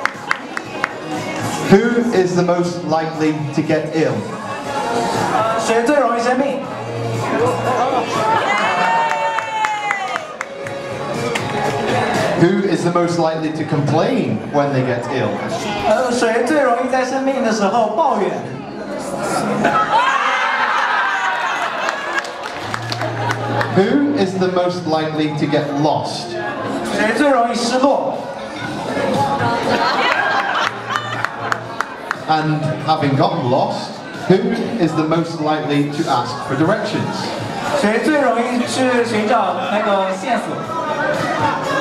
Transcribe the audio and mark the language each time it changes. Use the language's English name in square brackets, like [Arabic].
[English] Who is the most likely to get ill? [Chinese] 谁最容易生病？ [English] Who is the most likely to complain when they get ill? [Chinese] 谁最容易在生病的时候抱怨？ [English] Who is the most likely to get lost? [Chinese] 谁最容易失落？ [English] And having gotten lost, who is the most likely to ask for directions? [Chinese] 谁最容易去寻找那个线索？